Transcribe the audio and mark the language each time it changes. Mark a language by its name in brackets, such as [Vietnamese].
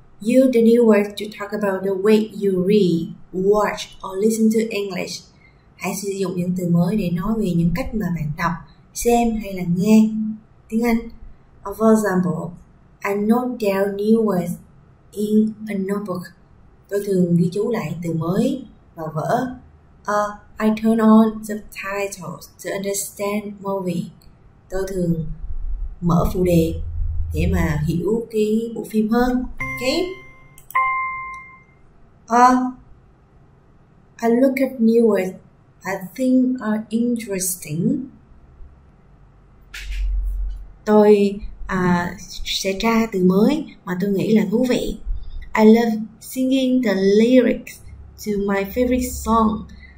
[English] Use the new words to talk about the way you read, watch or listen to English. [Vietnamese] Hãy sử dụng những từ mới để nói về những cách mà bạn đọc, xem hay là nghe tiếng Anh. [English] For example, I note down new words in a notebook. [Vietnamese] Tôi thường ghi chú lại từ mới vào vở. [English] I turn on subtitles to understand movie. [Vietnamese] Tôi thường mở phụ đề để mà hiểu cái bộ phim hơn. [English] Okay. I look at new ones I think are interesting. [Vietnamese] Tôi sẽ tra từ mới mà tôi nghĩ là thú vị. [English] I love singing the lyrics to my favorite song.